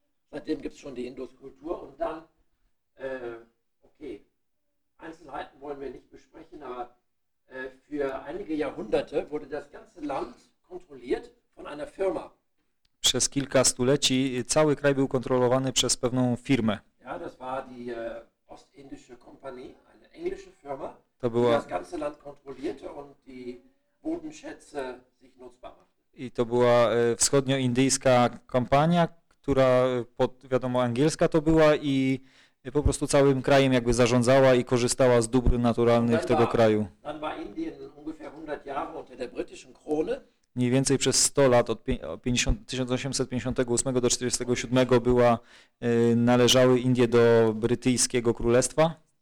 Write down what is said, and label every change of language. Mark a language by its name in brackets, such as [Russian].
[German] Seitdem gibt es schon die Induskultur und dann, okay, Einzelheiten wollen wir nicht besprechen, aber für einige Jahrhunderte wurde das ganze Land kontrolliert von einer Firma. [Polish] Przez kilka stuleci cały kraj był kontrolowany przez pewną firmę. [German] Ja, das war die Ostindische Kompanie, eine englische Firma, [Polish] to była... [German] die das ganze Land kontrollierte und die Bodenschätze sich nutzbar machte. [Polish] I to była wschodnioindyjska kompania, która pod, wiadomo, angielska to była i po prostu całym krajem jakby zarządzała i korzystała z dóbr naturalnych tego kraju. Dann war Indien ungefähr 100 Jahre unter der britischen Krone. Mniej więcej przez 100 lat, od 1858 do 1847 była, należały Indie do brytyjskiego królestwa.